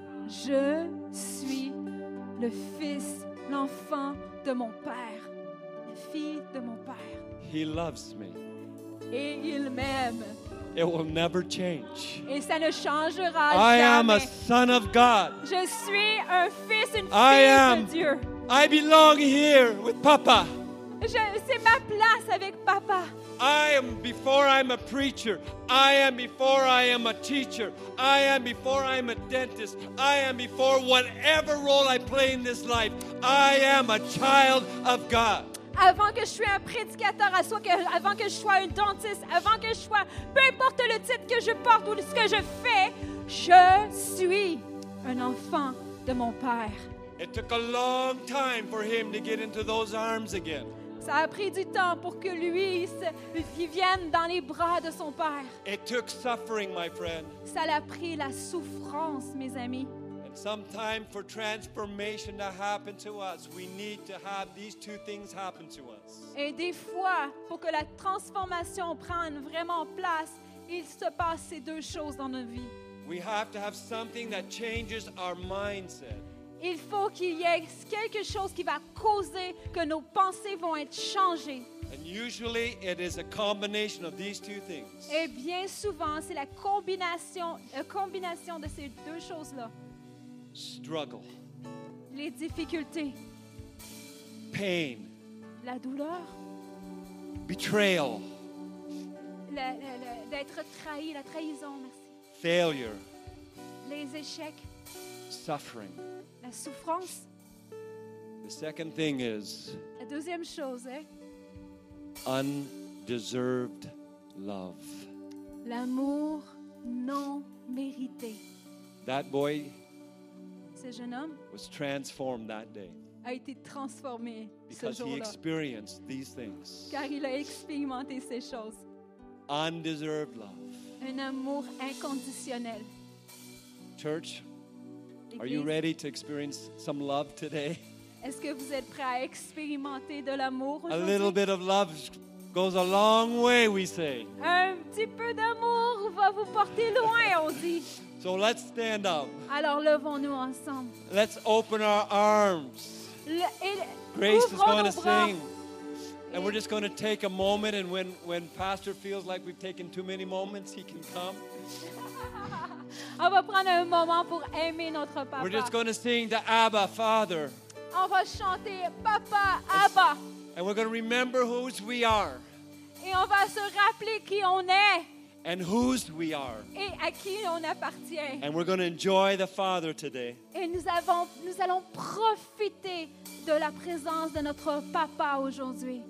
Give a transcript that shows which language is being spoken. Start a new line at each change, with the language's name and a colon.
French: Je suis le fils, l'enfant de mon père, la fille de mon père.
English: He loves me.
French: Et il m'aime.
English: It will never change.
French: Et ça ne changera jamais.
English: I am a son of God.
French: Je suis un fils, une fille de Dieu.
English: I belong here with Papa.
French: C'est ma place avec Papa.
English: I am before I'm a preacher. I am before I am a teacher. I am before I'm a dentist. I am before whatever role I play in this life. I am a child of God.
French: Avant que je sois un prédicateur, avant que je sois un dentiste, avant que je sois, peu importe le titre que je porte ou ce que je fais, je suis un enfant de mon père.
English: It took a long time for him to get into those arms again.
French: Ça a pris du temps pour que lui vienne dans les bras de son père.
English: It took suffering, my friend.
French: Ça l'a pris la souffrance, mes amis.
English: And some time for transformation to happen to us, we need to have these two things happen to us.
French: Et des fois, pour que la transformation prenne vraiment place, il se passe ces deux choses dans nos vies.
English: We have to have something that changes our mindset.
French: Il faut qu'il y ait quelque chose qui va causer que nos pensées vont être changées.
English: And usually it is a combination of these two things.
French: Et bien souvent, c'est la combination de ces deux choses-là.
English: Struggle.
French: Les difficultés.
English: Pain.
French: La douleur.
English: Betrayal.
French: D'être trahi, la trahison, merci.
English: Failure.
French: Les échecs.
English: Suffering.
French: La souffrance.
English: The second thing is,
French: la deuxième chose est,
English: undeserved love.
French: L'amour non mérité.
English: That boy,
French: ce jeune homme,
English: was transformed that day.
French: A été transformé ce jour-là.
English: Because he experienced these things.
French: Car il a expérimenté ces choses.
English: Undeserved love.
French: Un amour inconditionnel.
English: Church, are you ready to experience some love today?
French: Est-ce que vous êtes prêt à expérimenter de l'amour aujourd'hui?
English: A little bit of love goes a long way, we say.
French: Un petit peu d'amour va vous porter loin, on dit.
English: So let's stand up.
French: Alors levons-nous ensemble.
English: Let's open our arms. Grace is going to sing. And we're just going to take a moment, and when Pastor feels like we've taken too many moments, he can come.
French: On va prendre un moment pour aimer notre papa.
English: We're just going to sing to Abba, Father.
French: On va chanter Papa, Abba.
English: And we're going to remember whose we are.
French: Et on va se rappeler qui on est.
English: And whose we are.
French: Et à qui on appartient.
English: And we're going to enjoy the Father today.
French: Et nous allons profiter de la présence de notre papa aujourd'hui.